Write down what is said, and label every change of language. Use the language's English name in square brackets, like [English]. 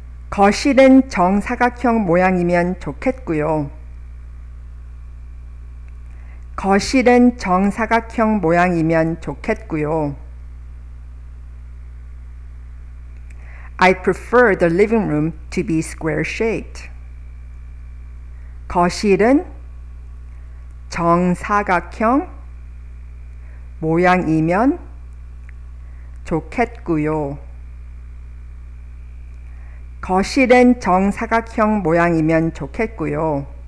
[Korean] 거실은 정사각형 모양이면 좋겠고요. 거실은 정사각형 모양이면 좋겠고요. [English] I prefer the living room to be square shaped. [Korean] 거실은 정사각형 모양이면 좋겠고요. 거실은 정사각형 모양이면 좋겠고요.